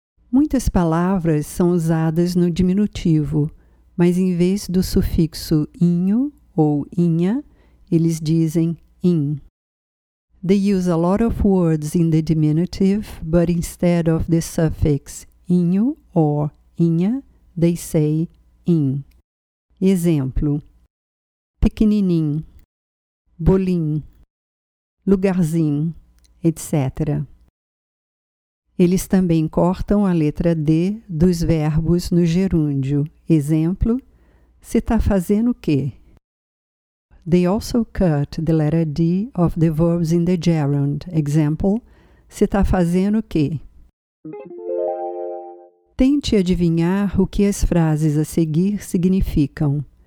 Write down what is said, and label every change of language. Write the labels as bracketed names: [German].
[Portuguese] Muitas palavras são usadas no diminutivo, mas em vez do sufixo inho ou inha, eles dizem in. [English] They use a lot of words in the diminutive, but instead of the suffix inho or inha, they say in. [Portuguese] Exemplo: pequenininho, bolinho, lugarzinho, etc. Eles também cortam a letra D dos verbos no gerúndio. Exemplo: se está fazendo o quê? [English] They also cut the letter D of the verbs in the gerund. [Portuguese] Example: se está fazendo o quê? Tente adivinhar o que as frases a seguir significam.